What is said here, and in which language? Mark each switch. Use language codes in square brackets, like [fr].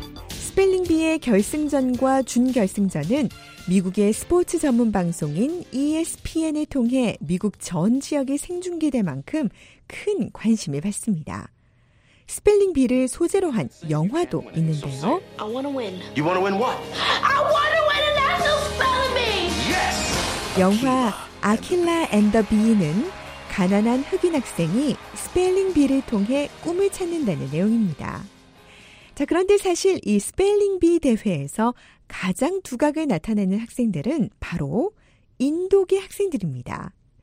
[ko] 스펠링비의 결승전과 준결승전은 미국의 스포츠 전문 방송인 ESPN을 통해 미국 전 지역에 생중계될 만큼 큰 관심을 받습니다. 스펠링비를 소재로 한 영화도 있는데요. [en] I want to win. You want to win what? I want to win a national spelling bee. Yes. [ko] 영화 아킬라 앤 더 비는 가난한 흑인 학생이 스펠링 비를 통해 꿈을 찾는다는 내용입니다. 자, 그런데 사실 이 스펠링 비 대회에서 가장 두각을 나타내는 학생들은 바로 인도계 학생들입니다.